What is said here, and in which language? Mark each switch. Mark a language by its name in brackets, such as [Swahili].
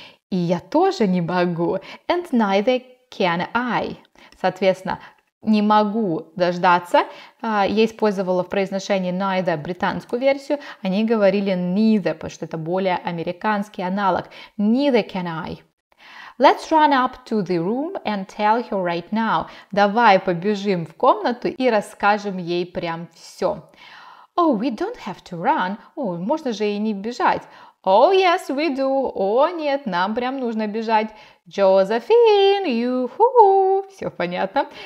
[Russian] И я тоже не могу. [English] And neither can I. [Russian] Соответственно, не могу дождаться. Я использовала в произношении neither британскую версию. Они говорили neither, потому что это более американский аналог. [English] Neither can I. Let's run up to the room and tell her right now. [Russian] Давай побежим в комнату и расскажем ей прям все. [English] Oh, we don't have to run. Oh, [Russian] можно же и не бежать. [English] Oh, yes, we do. [Russian] Oh, нет, нам прям нужно бежать. Josephine, you-hoo. Все понятно.